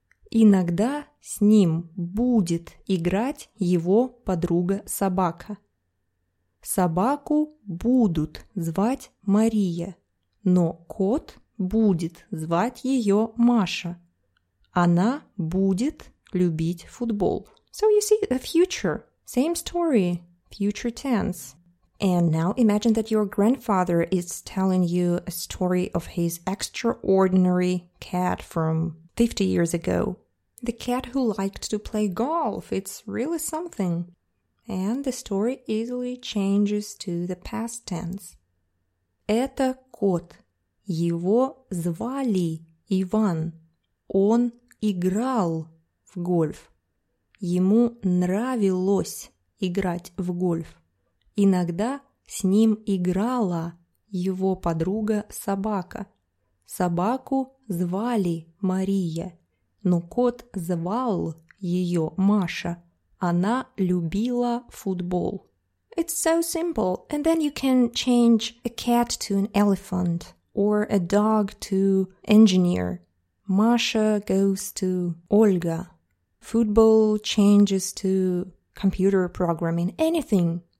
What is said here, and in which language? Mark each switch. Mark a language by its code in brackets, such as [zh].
[ru] Иногда с ним будет играть его подруга-собака. Собаку будут звать Мария, но кот будет звать ее Маша. Она будет любить футбол. [en] So you see, the future. Same story. Future tense. And now imagine that your grandfather is telling you a story of his extraordinary cat from 50 years ago. The cat who liked to play golf. It's really something. And the story easily changes to the past tense. [ru] Это кот. Его звали Иван. Он играл в гольф. Ему нравилось играть в гольф. Иногда с ним играла его подруга-собака. Собаку звали Мария, но кот звал ее Маша. Она любила футбол. [en] It's so simple. And then you can change a cat to an elephant or a dog to engineer. Маша goes to Ольга. Football changes to computer programming, anything.